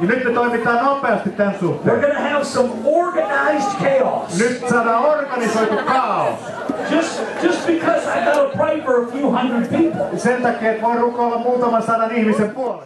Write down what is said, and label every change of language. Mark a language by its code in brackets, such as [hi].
[fi] Nyt me toimitaan nopeasti tämän suhteen. [en] We're gonna have some organized chaos. [fi] Nyt saadaan organisoitu kaos. [en] Just because I gotta pray for a few hundred people. [fi] Sen takia, että voi rukoilla muutaman sadan ihmisen puolesta.